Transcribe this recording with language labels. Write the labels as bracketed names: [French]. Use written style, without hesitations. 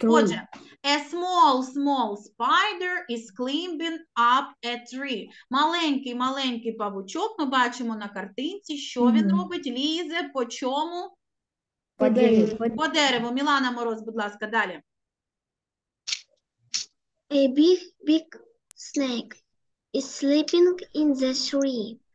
[Ukrainian] Отже, [English] a small spider is climbing up a tree. [Ukrainian] Маленький павучок, ми бачимо на картинці, що він робить, лізе по чому? По дереву. Мілана Мороз, будь ласка, далі. [English] A big snake is sleeping in the tree.